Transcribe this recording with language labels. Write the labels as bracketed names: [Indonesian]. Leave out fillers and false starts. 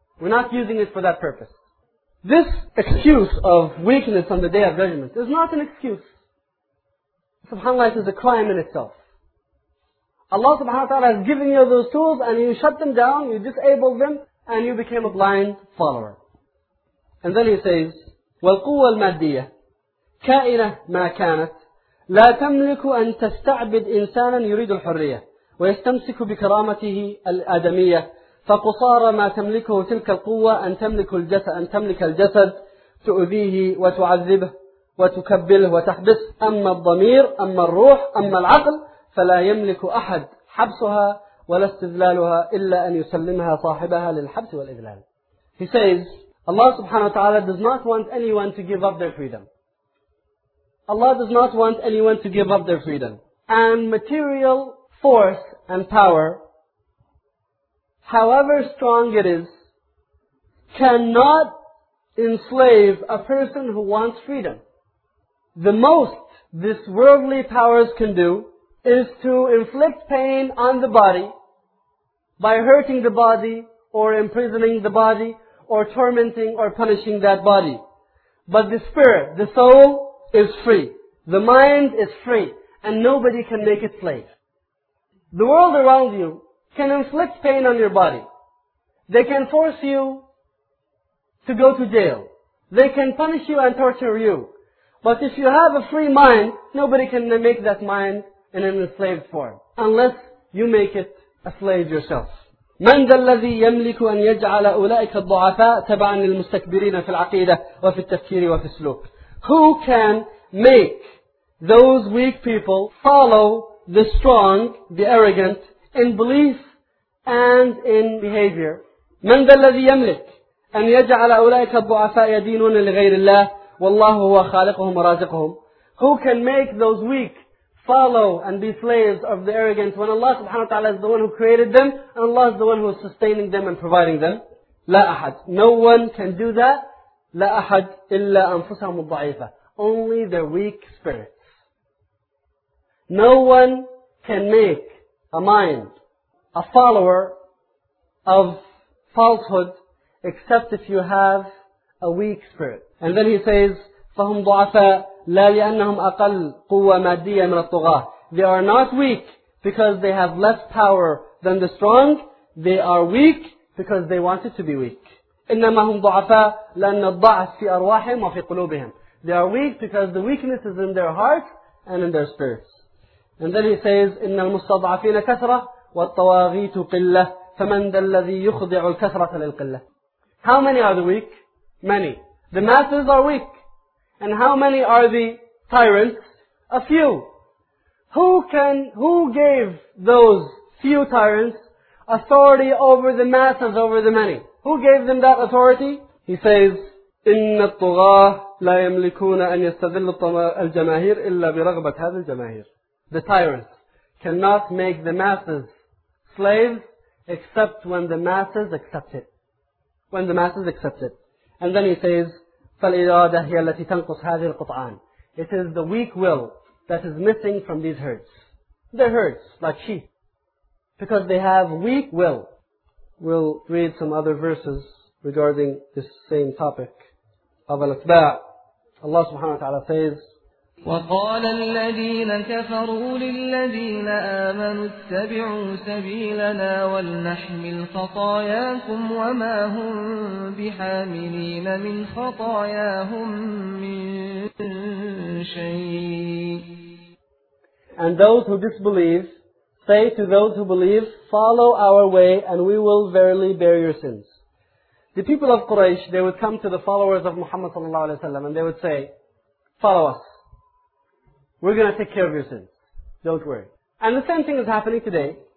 [English] We're not using it for that purpose. This excuse of weakness on the Day of Judgment is not an excuse. SubhanAllah, it is a crime in itself. Allah subhanahu wa ta'ala has given you those tools and you shut them down, you disabled them, and you became a blind follower. And then he says, [Arabic] وَالْقُوَّ الْمَادِّيَةِ كَائِنَةِ مَا كَانَتْ لَا تَمْلِكُ أَن تَسْتَعْبِدْ إِنسَانًا يُرِيدُ الْحُرِّيَةِ ويستمسك بكرامته الآدمية فقصار ما تملكه تلك القوة أن تملك الجسد تؤذيه وتعذبه وتكبله وتحبسه أما الضمير أما الروح أما العقل فلا يملك أحد حبسها ولا استذلالها إلا أن يسلمها صاحبها للحبس والإذلال. [English] He says, Allah subhanahu wa ta'ala does not want anyone to give up their freedom. Allah does not want anyone to give up their freedom. And material force and power, however strong it is, cannot enslave a person who wants freedom. The most this worldly powers can do is to inflict pain on the body by hurting the body or imprisoning the body or tormenting or punishing that body. But the spirit, the soul, is free. The mind is free. And nobody can make it slave. The world around you can inflict pain on your body. They can force you to go to jail. They can punish you and torture you. But if you have a free mind, nobody can make that mind in an enslaved form. Unless you make it a slave yourself. [Arabic] من ذا الذي يملك أن يجعل أولئك الضعفاء تبعا للمستكبرين في العقيدة وفي التفكير وفي السلوك. [English] Who can make those weak people follow the strong, the arrogant, in belief and in behavior. [Arabic] من ذا الذي يملك أن يجعل أولئك الضعفاء يدينون لغير الله والله هو خالقهم ورازقهم. [English] Who can make those weak follow and be slaves of the arrogant when Allah subhanahu wa ta'ala is the one who created them and Allah is the one who is sustaining them and providing them? [Arabic] لا أحد. [English] No one can do that. [Arabic] لا أحد إلا أنفسهم الضعيفة. [English] Only their weak spirit. No one can make a mind a follower of falsehood except if you have a weak spirit. And then he says, [Arabic] فَهُمْ ضُعَفَاء لَا لِأَنَّهُمْ أَقَلْ قُوَّ مَادِّيَّ مِنَ الطُّغَاةِ. [English] They are not weak because they have less power than the strong. They are weak because they wanted to be weak. [Arabic] إِنَّمَا هُمْ ضُعَفَاء لَأَنَّ الضَّعْفِ فِي أَرْوَاحِهِمْ وَفِي قُلُوبِهِمْ. [English] They are weak because the weakness is in their heart and in their spirits. And then he says, [Arabic] إِنَّ الْمُسْتَضْعَفِينَ كَثْرَةً وَالطَّوَاغِيتُ قِلَّةً فَمَنْ ذَا الَّذِي يُخْضِعُ الْكَثْرَةَ لِلْقِلَّةِ. [English] How many are the weak? Many. The masses are weak. And how many are the tyrants? A few. Who gave those few tyrants authority over the masses, over the many? Who gave them that authority? He says, [Arabic] إِنَّ الطُّغَاةَ لَا يَمْلِكُونَ أَنْ يَسْتَذِلُّ الْجَمَاهِيرِ إِلَّا بِرَغْبَةِ هَذِ الْجَمَاهِيرِ. [English] The tyrants cannot make the masses slaves except when the masses accept it. When the masses accept it. And then he says, [Arabic] فَالْإِرَادَ هِيَ الَّتِي تَنْقُصْ هَذِي الْقُطْعَانِ. [English] It is the weak will that is missing from these herds. They're herds, like sheep. Because they have weak will. We'll read some other verses regarding this same topic of al-Atba'. Allah subhanahu wa ta'ala says, [Arabic] وقال الذين كفروا للذين آمنوا اتبعوا سبيلنا ولنحمل خطاياكم وما هم بحاملين من خطاياهم من شيء. [English] And those who disbelieve say to those who believe, follow our way and we will verily bear your sins. The people of Quraysh, they would come to the followers of Muhammad sallallahu alaihi wasallam and they would say, follow us. We're going to take care of your sins. Don't worry. And the same thing is happening today.